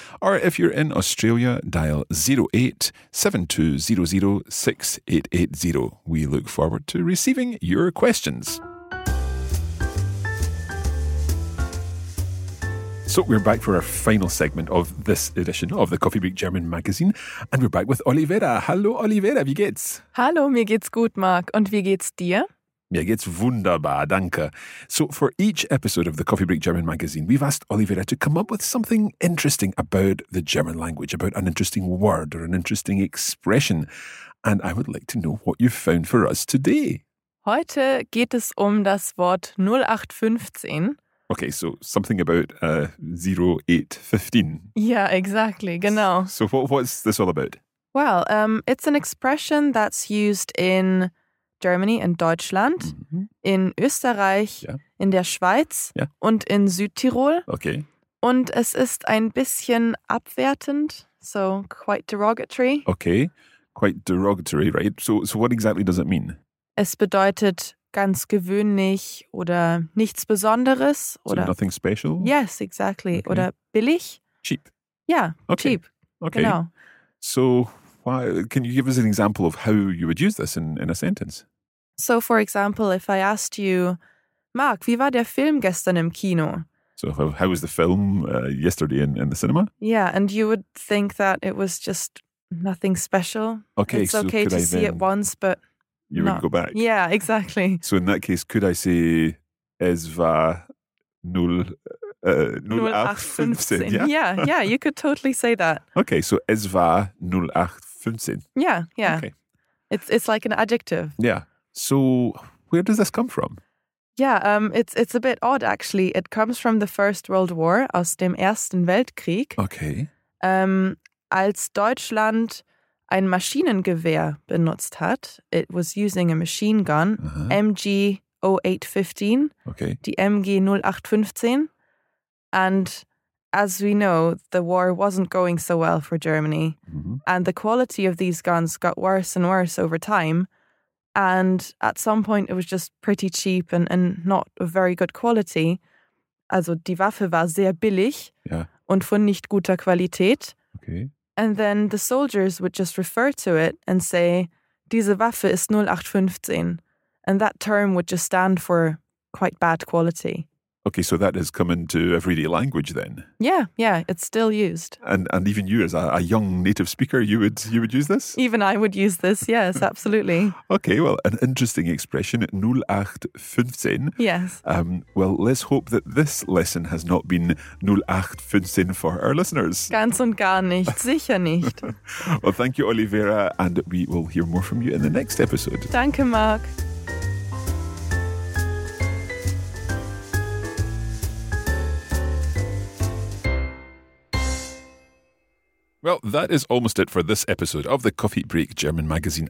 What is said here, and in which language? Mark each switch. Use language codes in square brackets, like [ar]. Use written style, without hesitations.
[en] Or if you're in Australia, dial 08 7200 6880. We look forward to receiving your questions. So we're back for our final segment of this edition of the Coffee Break German magazine. And we're back with Olivera. [de] Hallo Olivera, wie geht's? Hallo, mir geht's gut, Mark. Und wie geht's dir? Mir geht's wunderbar, danke. [en] So for each episode of the Coffee Break German magazine, we've asked Olivera to come up with something interesting about the German language, about an interesting word or an interesting expression. And I would like to know what you've found for us today. [de] Heute geht es das Wort 0815. [en] Okay, so something about 0815. Yeah, exactly, genau. So what's this all about? Well, it's an expression that's used in Germany, [de] in Deutschland, in Österreich, in der Schweiz und in Südtirol. [en] Okay. [de] Und es ist ein bisschen abwertend, [en] so quite derogatory. Okay, quite derogatory, right? So what exactly does it mean? [de] Es bedeutet ganz gewöhnlich oder nichts Besonderes. Oder [en] so nothing special? Yes, exactly. Okay. [de] Oder billig. [en] Cheap. Yeah, okay. Cheap. Okay. [de] Genau. [en] So why, can you give us an example of how you would use this in a sentence? So for example, if I asked you, Mark, [de] wie war der Film gestern im Kino? [en] So how was the film yesterday in the cinema? Yeah, and you would think that it was just nothing special. Okay, it's okay so to see it once, but... You wouldn't go back. Yeah, exactly. So in that case, could I say, [de] es war 0815? [en] Yeah, you could totally say that. Okay, so [de] es war 0815. [en] Yeah, yeah. Okay. It's like an adjective. Yeah. So where does this come from? Yeah, it's a bit odd, actually. It comes from the First World War, [de] aus dem Ersten Weltkrieg. [en] Okay. [de] Als Deutschland ein Maschinengewehr benutzt hat. [en] It was using a machine gun, MG0815, okay. [de] Die MG0815. [en] And as we know, the war wasn't going so well for Germany. Mm-hmm. And the quality of these guns got worse and worse over time. And at some point it was just pretty cheap and not of very good quality. [de] Also die Waffe war sehr billig und von nicht guter Qualität. [en] Okay. And then the soldiers would just refer to it and say, [de] diese Waffe ist 0815. [en] And that term would just stand for quite bad quality. Okay, so that has come into everyday language then? Yeah, it's still used. And even you as a young native speaker, you would use this? Even I would use this, yes, absolutely. Okay, well, an interesting expression, 0815. Yes. Well, let's hope that this lesson has not been 0815 for our listeners. [de] Ganz und gar nicht, sicher nicht. [en] Well, thank you, Olivera, and we will hear more from you in the next episode. [de] Danke, Mark. [en] Well, that is almost it for this episode of the Coffee Break German magazine.